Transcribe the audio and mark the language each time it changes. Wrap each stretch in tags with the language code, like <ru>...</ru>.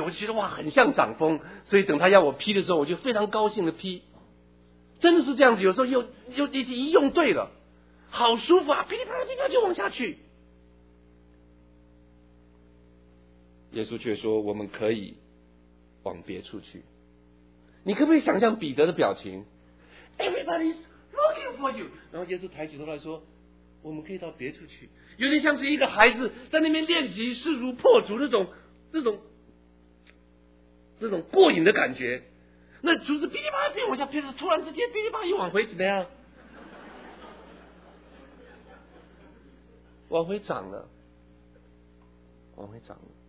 <zh>我就觉得哇，很像掌风，所以等他要我劈的时候，我就非常高兴的劈，真的是这样子。有时候又一用对了。好舒服啊，噼里啪啦噼里啪啦就往下去。耶稣却说，我们可以往别处去。你可不可以想象彼得的表情？</zh> <en>Everybody is looking for you。</en> <zh>然后耶稣抬起头来说，我们可以到别处去。有点像是一个孩子在那边练习势如破竹，那种过瘾的感觉。那竹子噼里啪啦噼里往下劈，突然之间噼里啪啦一往回怎么样，往回涨了，往回涨了。</zh>